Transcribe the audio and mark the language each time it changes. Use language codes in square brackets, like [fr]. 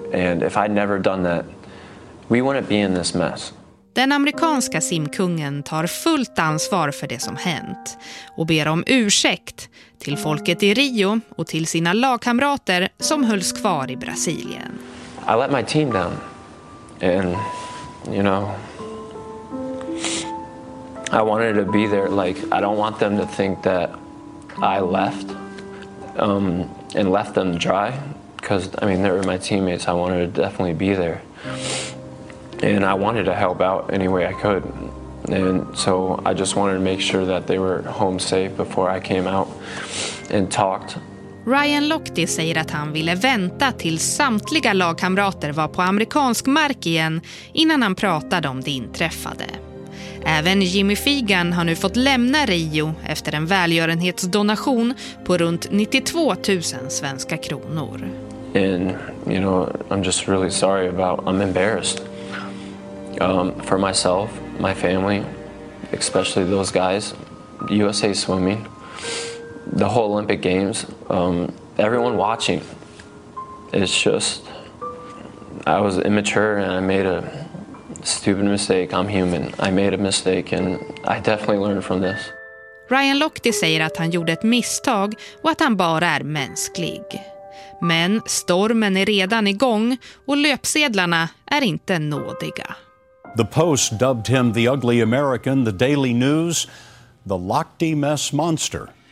[en] And if I'd never done that, we wouldn't be in this mess. [sv] Den amerikanska simkungen tar fullt ansvar för det som hänt och ber om ursäkt till folket i Rio och till sina lagkamrater som hölls kvar i Brasilien. [en] I let my team down and you know I wanted to be there, like I don't want them to think that I left and left them dry, because I mean they were my teammates. I wanted to definitely be there. And I wanted to help out any way I could. And so I just wanted to make sure that they were home safe before I came out and talked. [sv] Ryan Lochte säger att han ville vänta tills samtliga lagkamrater var på amerikansk mark igen innan han pratade om det inträffade. Även Jimmy Feagan har nu fått lämna Rio efter en välgörenhetsdonation på runt 92 000 svenska kronor. [en] And you know, I'm just really sorry about, I'm embarrassed. For myself, my family, especially those guys, USA Swimming, the whole Olympic Games, everyone watching. It's just, I was immature and I made a stupid mistake. I'm human. I made a mistake and I definitely learned from this. [sv] Ryan Lochte säger att han gjorde ett misstag och att han bara är mänsklig. Men stormen är redan igång och löpsedlarna är inte nådiga. [en] The Post dubbed him the ugly American, the Daily News, the Lochte mess monster.